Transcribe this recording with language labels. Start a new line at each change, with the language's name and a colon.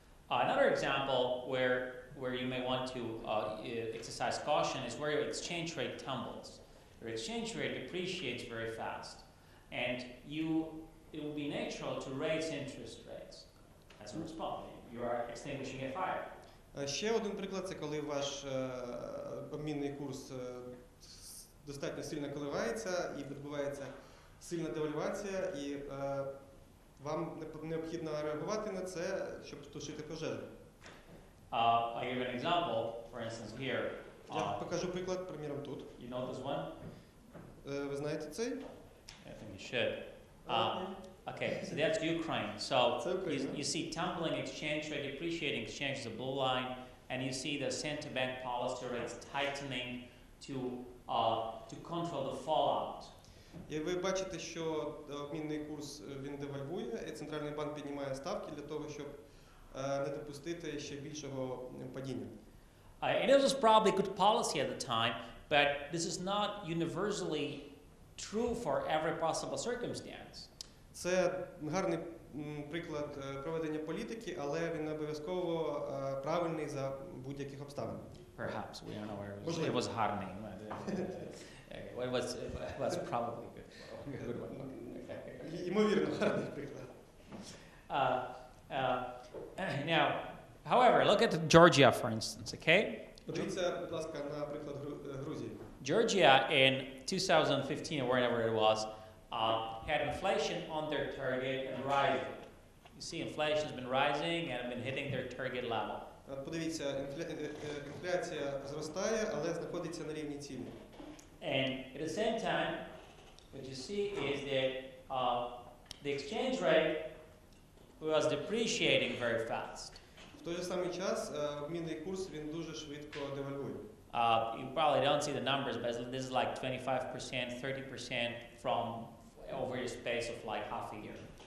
English: Another example where you may want to exercise caution is where your exchange rate tumbles. Your exchange rate depreciates very fast, and it will be natural to raise interest rates as a response. You are extinguishing a fire.
Ukrainian: Ще один приклад — це коли ваш обмінний курс достатньо сильно коливається і відбувається сильна девальвація, і вам необхідно реагувати на це, щоб тушити пожежу.
English: I give an example, for instance, here.
Ukrainian: Я покажу приклад, приміром, тут.
English: You know this one?
Ukrainian: Ви знаєте цей?
English: I think you should. Okay, so that's Ukraine. So you see tumbling exchange rate, depreciating exchange is a blue line, and you see the central bank policy rates tightening to control the fallout.
Ukrainian: І ви бачите, що обмінний курс він девальвує, і центральний банк піднімає ставки для того, щоб не допустити ще більшого падіння.
English: And this was probably good policy at the time, but this is not universally true for every possible circumstance.
Ukrainian: Це гарний приклад проведення політики, але він не обов'язково правильний за будь-яких обставин.
English: Perhaps we don't know where it was gardening. Anyway, it was probably good. Good one.
Ukrainian: Ймовірно, гарний приклад.
English: Now, however, look at Georgia, for instance, okay?
Ukrainian: Подивіться, будь ласка, на приклад Грузії.
English: Georgia in 2015 or whenever it was, had inflation on their target and rising. You see, inflation has been rising and have been hitting their target level.
Ukrainian: Подивіться, інфляція зростає, але знаходиться на рівні цілі.
English: And at the same time, what you see is that the exchange rate was depreciating very fast.
Ukrainian: В той же самий час обмінний курс він дуже швидко девальвує.
English: You probably don't see the numbers, but this is like 25%, 30% from over the space of like half a year.